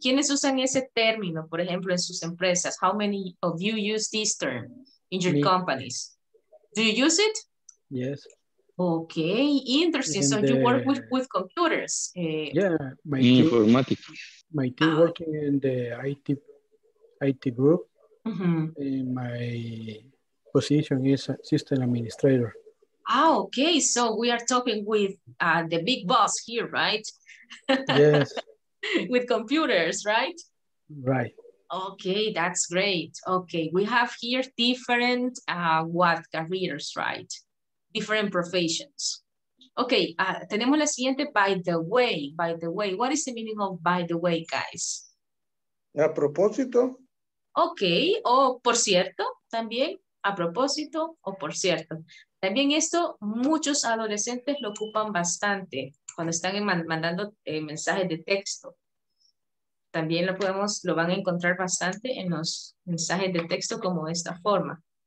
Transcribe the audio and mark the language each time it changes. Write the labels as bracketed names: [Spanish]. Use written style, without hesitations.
[Spanish] ¿Quiénes usan ese término, por ejemplo, en sus empresas? [English] How many of you use this term in your companies? Do you use it? Yes. Okay, interesting. So you work with computers. Yeah. Informatics. My team working in the IT group. Mm-hmm. And my position is a system administrator. Ah, okay. So we are talking with the big boss here, right? Yes. With computers, right? Right. Okay, that's great. Okay, we have here different what careers, right? Different professions. Okay, [Spanish] tenemos la siguiente, [English] by the way. What is the meaning of by the way, guys? [Spanish] A propósito. Okay, o por cierto, también, a propósito, o por cierto. También esto, muchos adolescentes lo ocupan bastante cuando están mandando mensajes de texto. También lo van a encontrar bastante en los mensajes de texto como de esta forma.